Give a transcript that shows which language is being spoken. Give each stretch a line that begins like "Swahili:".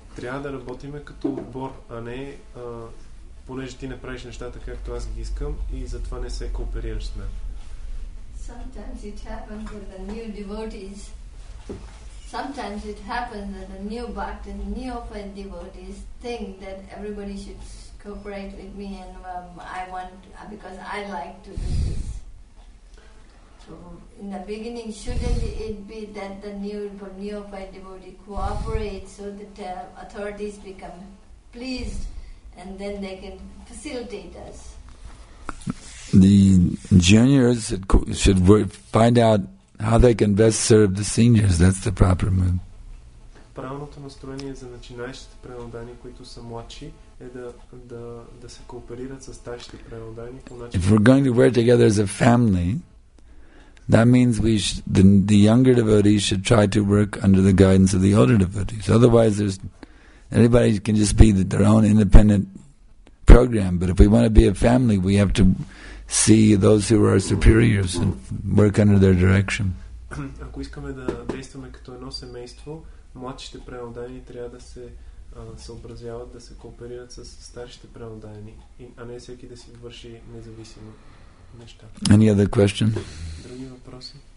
Bulgarian: Трябва да работим като отбор, а не понеже ти не правиш нещата както аз ги искам и затова не се кооперираш с мен.
English: Sometimes it happens with the new devotees. Sometimes it happens that the new bhakt and new open devotees think that everybody should cooperate with me and I want, because I like to do this. So in the beginning, shouldn't it be that the new open devotee cooperates so that the authorities become pleased and then they can facilitate us? The juniors should find out how they can best serve the seniors, that's the proper move.
Bulgarian: Правилното настроение за начинаещите преподавани, които са младши, е да се кооперират с старшите преподавани по начин.
English: If we're going to work together as a family, that means the younger devotees should try to work under the guidance of the older devotees. Otherwise, everybody can just be their own independent program. But if we want to be a family, we have to see those who are superiors and work under their direction.
Bulgarian: Ако искаме да действаме като едно семейство, младшите преподавани трябва да се съобразяват, да се кооперират с старшите преподавани, а не всеки да си върши независимо неща.
English: Any other question?
Bulgarian: Други въпроси?